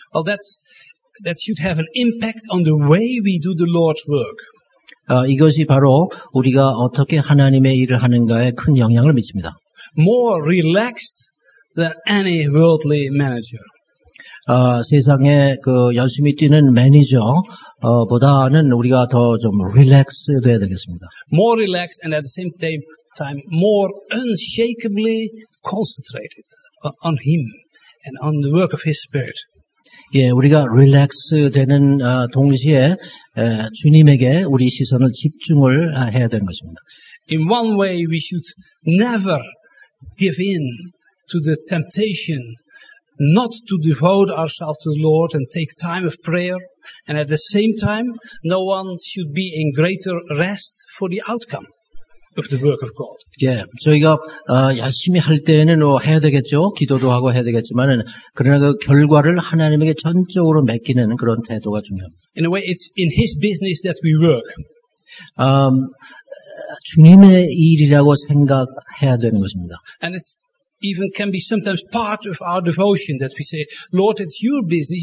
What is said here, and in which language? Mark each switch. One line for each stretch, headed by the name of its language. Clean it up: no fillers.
English: Well, that should have an impact on the way we do the Lord's work.
Korean: 이것이 바로 우리가 어떻게 하나님의 일을 하는가에 큰 영향을 미칩니다.
English: More relaxed than any worldly manager.
Korean: 세상에 그 열심히 뛰는 매니저 보다는 우리가 더 좀 relaxed 돼야 되겠습니다.
English: More relaxed and at the same time more unshakably concentrated on Him and on the work of His Spirit.
Korean: 예, 우리가 relax 되는 동시에 주님에게 우리 시선을 집중을 해야 되는 것입니다.
English: In one way, we should never give in to the temptation not to devote ourselves to the Lord and take time of prayer. And at the same time, no one should be in greater rest for the outcome of the work of God.
Korean: 예, 저희가 열심히 할 때에는 해야 되겠죠. 기도도 하고 해야 되겠지만은 그러나 그 결과를 하나님에게 전적으로 맡기는 그런 태도가 중요합니다.
English: In a way, it's in His business that we work.
Korean: 주님의 일이라고 생각해야 되는 것입니다.
English: And it even can be sometimes part of our devotion that we say, Lord, it's Your business.